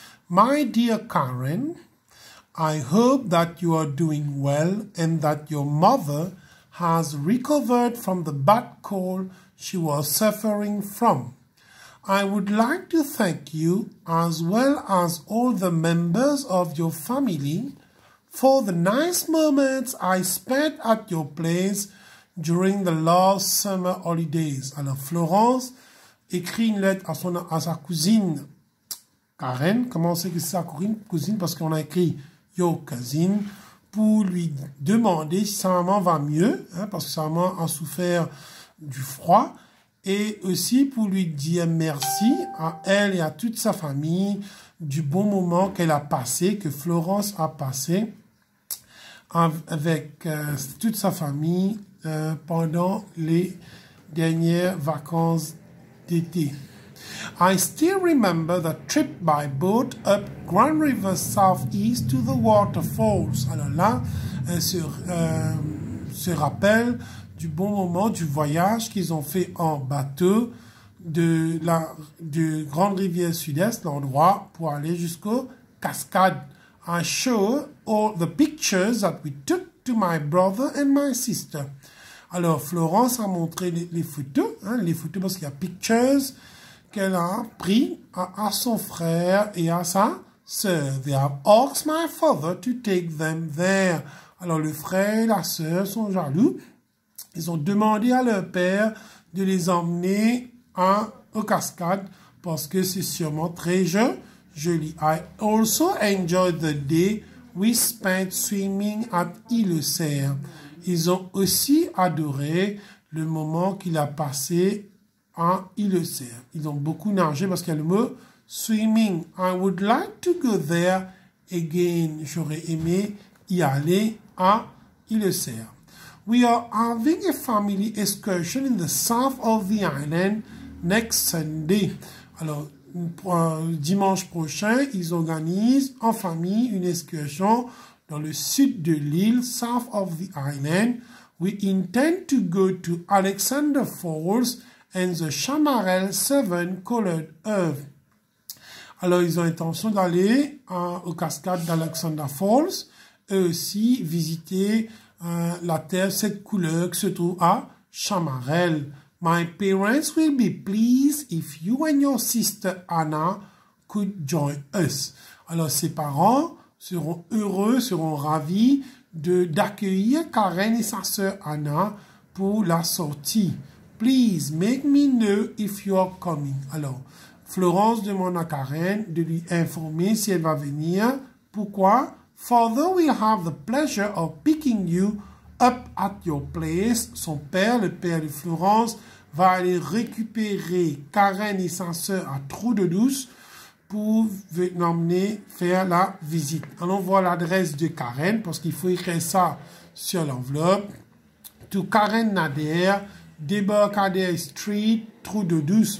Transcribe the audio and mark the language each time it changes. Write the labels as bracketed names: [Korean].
[English] My dear Karen, I hope that you are doing well and that your mother has recovered from the bad cold she was suffering from. I would like to thank you, as well as all the members of your family, for the nice moments I spent at your place during the last summer holidays. [French] Alors, Florence écrit une lettre à sa cousine Karen. Comment on sait que c'est sa cousine? Parce qu'on a écrit « [English] your cousin [French] » pour lui demander si sa maman va mieux, hein, parce que sa maman a souffert du froid. Et aussi pour lui dire merci à elle et à toute sa famille du bon moment qu'elle a passé, que Florence a passé avec toute sa famille pendant les dernières vacances d'été. [English] I still remember the trip by boat up Grand River Southeast to the waterfalls. [French] Alors là, elle se rappelle du bon moment du voyage qu'ils ont fait en bateau de Grande Rivière Sud-Est, l'endroit pour aller jusqu'aux cascades. [English] I show all the pictures that we took to my brother and my sister. [French] Alors, Florence a montré les photos, hein, les photos parce qu'il y a pictures qu'elle a pris à son frère et à sa sœur. [English] They have asked my father to take them there. [French] Alors, le frère et la sœur sont jaloux. Ils ont demandé à leur père de les emmener aux cascades parce que c'est sûrement très joli. [English] I also enjoyed the day we spent swimming at Île-Serre. [French] Ils ont aussi adoré le moment qu'il a passé à Île-Serre. Ils ont beaucoup nagé parce qu'il y a le mot swimming. [English] I would like to go there again. [French] J'aurais aimé y aller à Île-Serre. [English] We are having a family excursion in the south of the island next Sunday. [French] Alors, dimanche prochain, ils organisent en famille une excursion dans le sud de l'île, [English] south of the island. We intend to go to Alexander Falls and the Chamarel Seven Colored Earth. [French] Alors, ils ont l'intention d'aller aux cascades d'Alexander Falls et aussi visiter la terre, cette couleur qui se trouve à Chamarel. [English] My parents will be pleased if you and your sister Anna could join us. [French] Alors, ses parents seront heureux, seront ravis d'accueillir Karen et sa sœur Anna pour la sortie. [English] Please make me know if you are coming. [French] Alors, Florence demande à Karen de lui informer si elle va venir. Pourquoi? [English] Father will have the pleasure of picking you up at your place. [French] Son père, le père de Florence, va aller récupérer Karen et sa sœur à Trou de Douce pour l'emmener faire la visite. Allons voir l'adresse de Karen parce qu'il faut écrire ça sur l'enveloppe. [English] To Karen Nader, Debarcadère Street, Trou de Douce.